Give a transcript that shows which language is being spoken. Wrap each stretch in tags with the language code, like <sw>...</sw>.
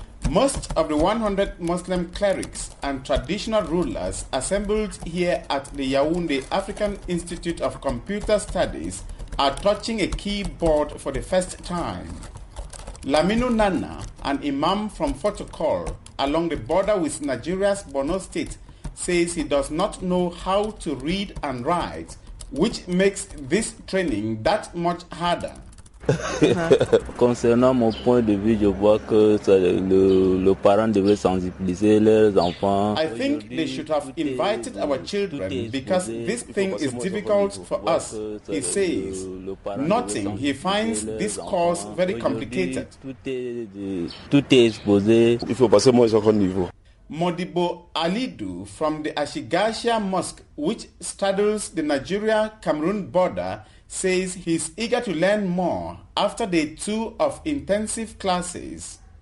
<en>Most of the 100 Muslim clerics and traditional rulers assembled here at the Yaoundé African Institute of Computer Studies are touching a keyboard for the first time. Laminu Nana, an imam from Fotokol along the border with Nigeria's Borno State, says he does not know how to read and write, which makes this training that much harder.</en> <fr>Concernant mon point de vue, je vois que le parent devait sensibiliser leurs enfants.</fr> <en>I think they should have invited our children because this thing is difficult for us, he says. Noting, he finds this course very complicated.</en> <fr>Tout est exposé. Il faut passer moins encore de niveau.</fr> <en>Modibo Alidu from the Ashigashia Mosque, which straddles the Nigeria-Cameroon border, says he's eager to learn more after day two of intensive classes.</en>